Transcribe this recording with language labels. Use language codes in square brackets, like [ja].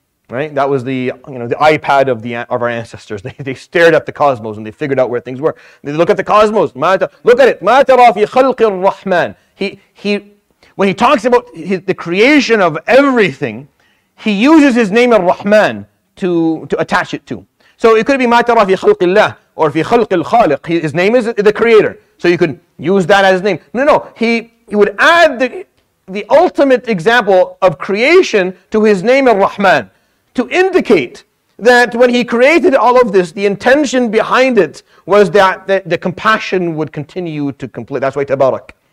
[en] Right, that was the iPad of our ancestors. They stared at the cosmos and they figured out where things were. They look at the cosmos. Look at it. [ar] مَا تَرَى فِي خَلْقِ الرَّحْمَنِ. [en] When he talks about the creation of everything, he uses his name al-Rahman to attach it to. So it could be [ar] مَا تَرَى فِي خَلْقِ اللَّهِ [en] or [ar] فِي خَلْقِ الْخَالِقِ. [en] His name is the creator. So you could use that as his name. No. He would add the ultimate example of creation to his name al-Rahman, to indicate that when he created all of this, the intention behind it was that the compassion would continue to complete. That's why Tabarak.